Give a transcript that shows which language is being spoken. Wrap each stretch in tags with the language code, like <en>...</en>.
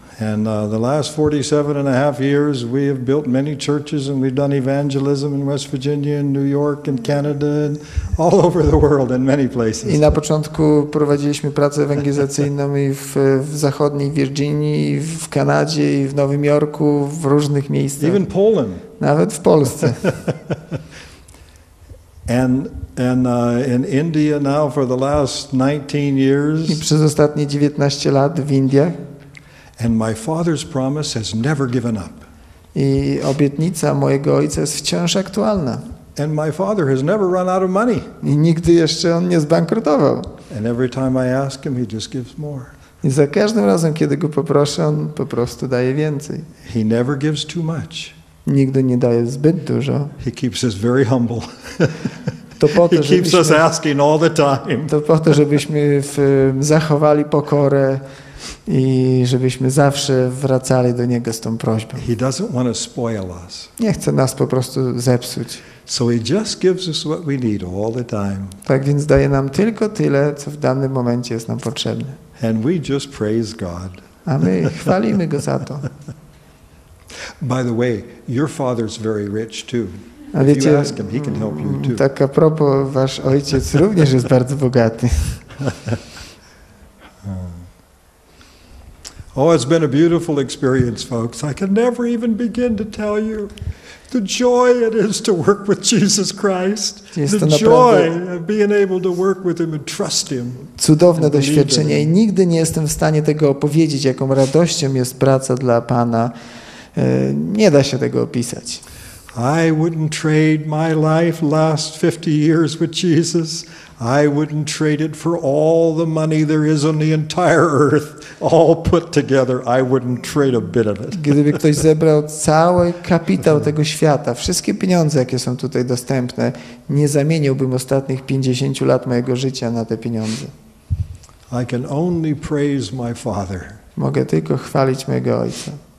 <en>And the last 47 and a half years we have built many churches and we've done evangelism in West Virginia and New York and Canada and all over the world in many places.</en> <pl>I na początku prowadziliśmy pracę ewangelizacyjną i w zachodniej Wirginii, w Kanadzie i w Nowym Jorku, w różnych miejscach.</pl> <en>Even Poland.</en> <pl>Nawet w Polsce.</pl> <en>And in India now for the last 19 years.</en> <pl>I przez ostatnie 19 lat w Indiach.</pl> <en>And my father's promise has never given up.</en> <pl>I obietnica mojego ojca jest wciąż aktualna.</pl> <en>And my father has never run out of money.</en> <pl>I nigdy jeszcze on nie zbankrutował.</pl> <en>And every time I ask him, he just gives more.</en> <pl>I za każdym razem, kiedy go poproszę, on po prostu daje więcej.</pl> <en>He never gives too much.</en> <pl>Nigdy nie daje zbyt dużo.</pl> <en>He keeps us very humble.</en> <pl>To po to,</pl> <en>he keeps us asking all the time.</en> <pl>To po to, żebyśmy zachowali pokorę i żebyśmy zawsze wracali do niego z tą prośbą.</pl> <en>He doesn't want to spoil us.</en> <pl>Nie chce nas po prostu zepsuć.</pl> <en>So he just gives us what we need all the time.</en> <pl>Tak więc daje nam tylko tyle, co w danym momencie jest nam potrzebne.</pl> <en>And we just praise God.</en> <pl>A my chwalimy go za to.</pl> <en>By the way, your father's very rich too.</en> <pl>A wiecie,</pl> <en>if you ask him, he can help you too.</en> <pl>Tak a propos, wasz ojciec również jest bardzo bogaty.</pl> <en>Oh, it's been a beautiful experience, folks. I can never even begin to tell you the joy it is to work with Jesus Christ. The joy of being able to work with him and trust him.</en> <pl>Cudowne doświadczenie i nigdy nie jestem w stanie tego opowiedzieć, jaką radością jest praca dla Pana. Nie da się tego opisać.</pl> <en>I wouldn't trade my life last 50 years with Jesus. I wouldn't trade it for all the money there is on the entire earth, all put together. I wouldn't trade a bit of it.</en> <pl>Gdyby ktoś zebrał cały kapitał tego świata, wszystkie pieniądze, jakie są tutaj dostępne, nie zamieniłbym ostatnich 50 lat mojego życia na te pieniądze.</pl> <en>I can only praise my father.</en> <pl>Mogę tylko chwalić mojego ojca.</pl>